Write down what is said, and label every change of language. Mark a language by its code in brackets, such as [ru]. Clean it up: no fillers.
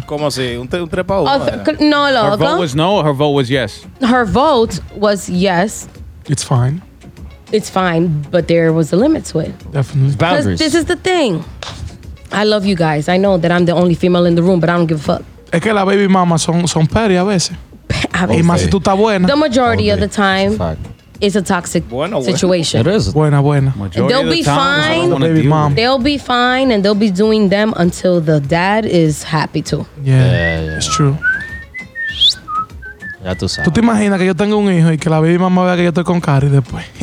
[es] ¿Cómo así? ¿Un trepa o no, loco? [en] Her vote was no, her vote was yes. Her vote was yes. It's fine. It's fine, but there was a limit to it. Definitely. Boundaries. This is the thing. I love you guys. I know that I'm the only female in the room, but I don't give a fuck. [es] Es que la baby mama son petty a veces. A veces. Y más si tú estás buena. [en] The majority of the time is a toxic situation. It is. [es] Buena, buena. [en] Majority they'll be fine. The baby mama. They'll be fine, and they'll be doing them until the dad is happy too. Yeah. It's true. [es] Ya tú sabes. ¿Tú te imaginas que yo tengo un hijo y que la baby mamá vea que yo estoy con Cari después?